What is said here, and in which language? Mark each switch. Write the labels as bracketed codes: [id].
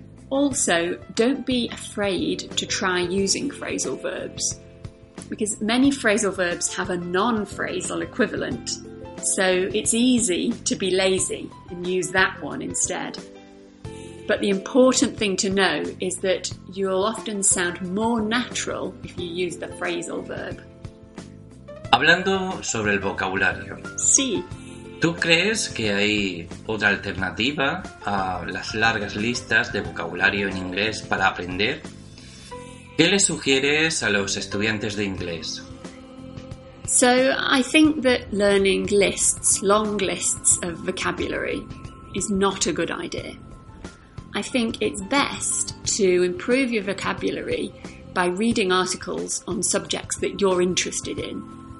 [en] Also, don't be afraid to try using phrasal verbs, because many phrasal verbs have a non-phrasal equivalent, so it's easy to be lazy and use that one instead. But the important thing to know is that you'll often sound more natural if you use the phrasal verb. [es] Hablando sobre el vocabulario. Sí. ¿Tú crees que hay otra alternativa a las largas listas de vocabulario en inglés para aprender? ¿Qué le sugieres a los estudiantes de inglés? [en] So, I think that learning lists, long lists of vocabulary, is not a good idea. I think it's best to improve your vocabulary by reading articles on subjects that you're interested in.